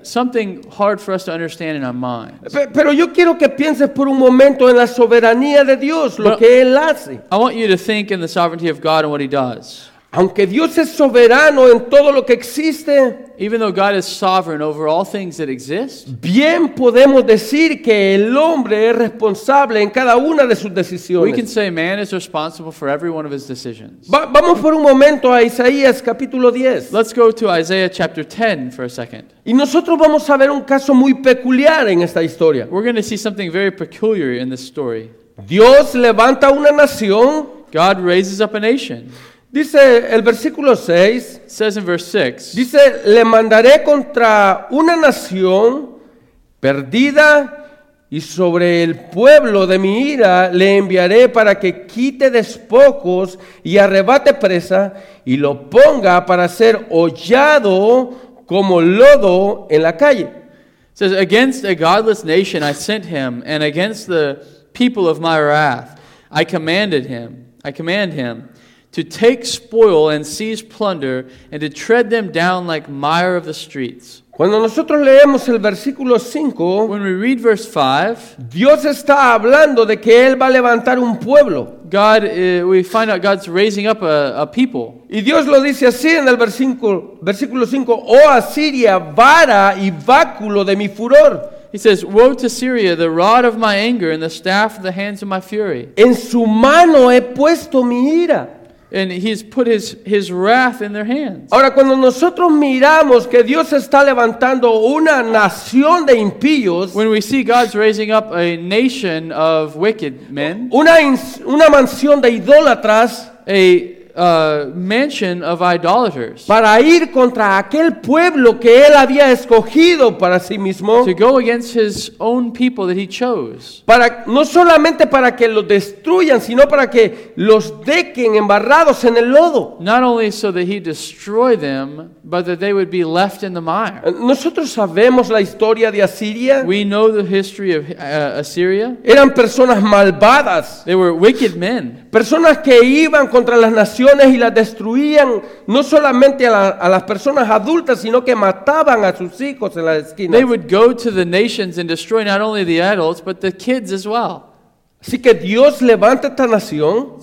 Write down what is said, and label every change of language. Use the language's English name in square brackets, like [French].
[English] Something hard for us to understand in our minds. [Spanish] Pero yo quiero que pienses por un momento en la soberanía de Dios, lo que Él hace. [English] I want you to think in the sovereignty of God and what He does. [Spanish] Aunque Dios es soberano en todo lo que existe, [English] even though God is sovereign over all things that exist, [Spanish] bien podemos decir que el hombre es responsable en cada una de sus decisiones. [English] We can say man is responsible for every one of his decisions. [Spanish] Vamos por un momento a Isaías capítulo 10. [English] Let's go to Isaiah chapter 10 for a second. [Spanish] Y nosotros vamos a ver un caso muy peculiar en esta historia. [English] We're going to see something very peculiar in this story. [Spanish] Dios levanta una nación. [English] God raises up a nation. [Spanish] Dice el versículo 6. [English] Says in verse 6. [Spanish] Dice, le mandaré contra una nación perdida y sobre el pueblo de mi ira le enviaré para que quite despojos y arrebate presa y lo ponga para ser hollado como lodo en la calle. [English] Says, against a godless nation I sent him and against the people of my wrath I command him. To take spoil and seize plunder and to tread them down like mire of the streets. [Spanish] Cuando nosotros leemos el versículo 5, [English] when we read verse 5, [Spanish] Dios está hablando de que Él va a levantar un pueblo. [English] God, we find out God's raising up a people. [Spanish] Y Dios lo dice así en el versículo 5, oh Asiria, vara y báculo de mi furor. [English] He says, woe to Syria, the rod of my anger and the staff of the hands of my fury. [Spanish] En su mano he puesto mi ira. [English] And he's put his wrath in their hands. [Spanish] Ahora, cuando nosotros miramos que Dios está levantando una nación de impíos, [English] when we see God's raising up a nation of wicked men, [Spanish] una mansión de idólatras, [English] a mansion of idolaters, [Spanish] para ir contra aquel pueblo que él había escogido para sí mismo, [English] to go against his own people that he chose, [Spanish] para no solamente para que los destruyan, sino para que los dejen embarrados en el lodo. [English] Not only so that he destroy them, but that they would be left in the mire. [Spanish] Nosotros sabemos la historia de Asiria. [English] We know the history of Assyria. [Spanish] Eran personas malvadas. [English] They were wicked men. [Spanish] Personas que iban contra las naciones y las destruían, no solamente a las personas adultas, sino que mataban a sus hijos en las esquinas. [English] They would go to the nations and destroy not only the adults, but the kids as well. [Spanish] Así que Dios levanta esta nación.